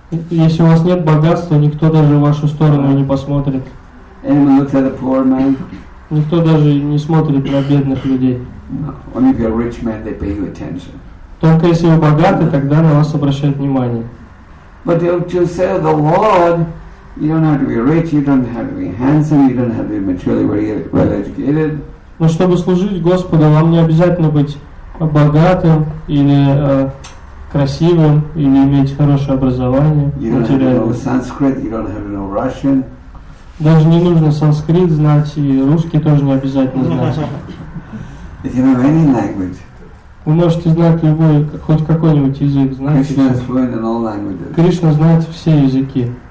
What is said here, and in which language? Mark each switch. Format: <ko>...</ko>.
<ru>Если у вас нет богатства, никто даже в вашу сторону не посмотрит.</ru> <en>Anyone looks at a poor man?</en> <ru>Никто даже не смотрит на бедных людей.</ru> <en>No. Only if you're a rich man, they pay you attention.</en> <ru>Только если вы богаты, тогда на вас обращают внимание.</ru> <en>But to serve the Lord, you don't have to be rich, you don't have to be handsome, you don't have to be materially well educated.</en> <ru>Но чтобы служить Господу, вам не обязательно быть богатым или красивым или иметь хорошее образование.</ru> <en>You don't have to know Sanskrit, you don't have to know Russian.</en> <ru>Даже не нужно санскрит знать, и русский тоже не обязательно знать.</ru> <en>If you know any language.</en> <ru>Вы можете знать любой, хоть какой-нибудь язык, знаете. Кришна знает все языки.</ru>